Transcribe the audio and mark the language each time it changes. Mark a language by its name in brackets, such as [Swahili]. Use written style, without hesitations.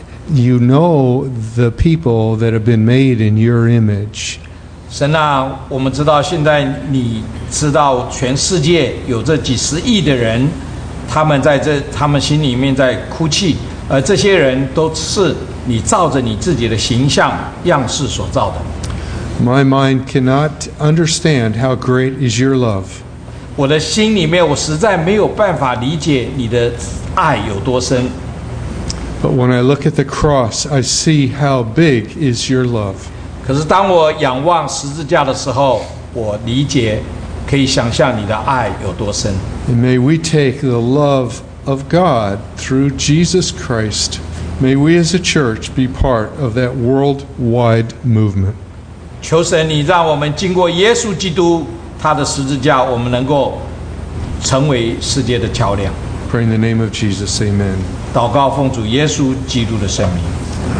[English] You know the people that have been made in your image. [Chinese] 神啊，我们知道现在你知道全世界有这几十亿的人，他们在这他们心里面在哭泣，而这些人都是你照着你自己的形象样式所造的。 [English] My mind cannot understand how great is your love. [Chinese] 我的心里面，我实在没有办法理解你的爱有多深。 [English] But when I look at the cross, I see how big is your love. [Chinese] 可是当我仰望十字架的时候，我理解，可以想象你的爱有多深。 [English] And may we take the love of God through Jesus Christ. May we as a church be part of that worldwide movement. [Chinese] 求神，你让我们经过耶稣基督他的十字架，我们能够成为世界的桥梁。 [English] Pray in the name of Jesus, amen. [Chinese] 祷告奉主耶稣基督的圣名。